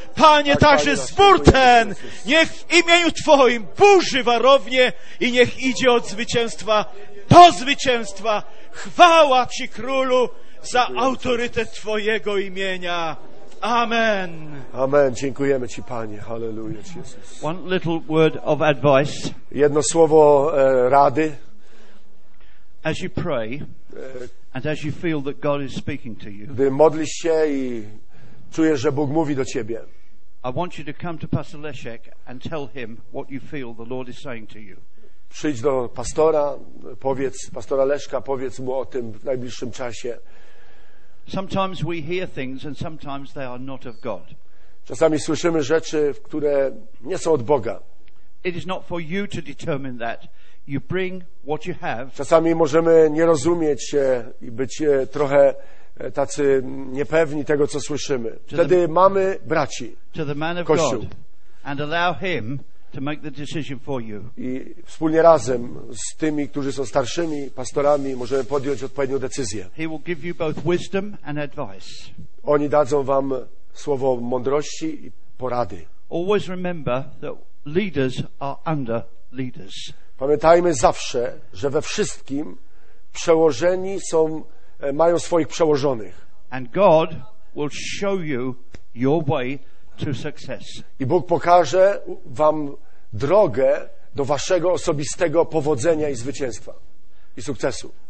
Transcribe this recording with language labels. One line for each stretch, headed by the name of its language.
Polish: Panie, także zbór ten, niech w imieniu Twoim burzy warownie i niech idzie od zwycięstwa do zwycięstwa. Chwała Ci, Królu, za autorytet Twojego imienia. Amen. Amen. Dziękujemy Ci, Panie. Halleluja, Jezus.
English: One little word of advice.
Polish: Jedno słowo rady.
English: As you pray and as you feel that God is speaking to you.
Polish: Gdy modlisz się i czujesz, że Bóg mówi do ciebie.
English: I want you to come to Pastor Leszek and tell him what you feel the Lord is saying to you.
Polish: Przyjdź do pastora, powiedz pastora Leszka, powiedz mu o tym w najbliższym czasie.
English: Sometimes we hear things and sometimes they are not of God.
Polish: Czasami słyszymy rzeczy, które nie są od Boga.
English: It is not for you to determine that. You bring what you have.
Polish: Czasami możemy nie rozumieć się i być trochę tacy niepewni tego, co słyszymy. Wtedy mamy braci, Kościół.
English: And allow him to make the decision for you.
Polish: I wspólnie razem z tymi, którzy są starszymi pastorami, możemy podjąć odpowiednią decyzję.
English: He will give you both wisdom and advice.
Polish: Oni dadzą wam słowo mądrości i porady.
English: Always remember that leaders are under leaders.
Polish: Pamiętajmy zawsze, że we wszystkim przełożeni są, mają swoich przełożonych.
English: And God will show you your way to success.
Polish: I Bóg pokaże wam drogę do waszego osobistego powodzenia i zwycięstwa i sukcesu.